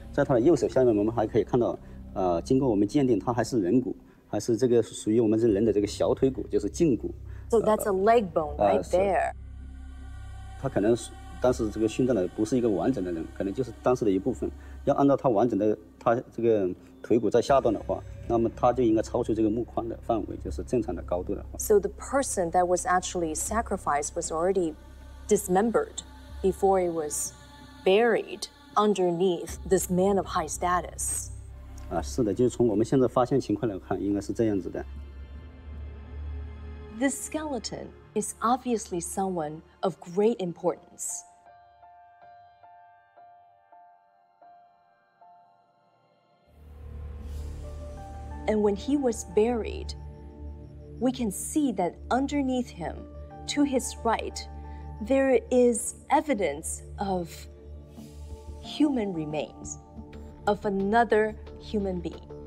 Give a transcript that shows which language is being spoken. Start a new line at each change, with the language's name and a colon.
Chinese: 在他的右手下面，我们还可以看到，经过我们鉴定，他还是人骨，还是这个属于我们这人的这个小腿骨，就是胫骨。
English: So that's a leg bone right there.
Chinese: 他可能是当时这个殉葬的不是一个完整的人，可能就是当时的一部分。要按照他完整的他这个腿骨在下段的话。那么它就应该超出这个墓框的范围，就是正常的高度的话。
English: So the person that was actually sacrificed was already dismembered before it was buried underneath this man of high status.
Chinese: 啊，是的，就是从我们现在发现情况来看，应该是这样子的。
English: This skeleton is obviously someone of great importance. And when he was buried, we can see that underneath him, to his right, there is evidence of human remains, of another human being.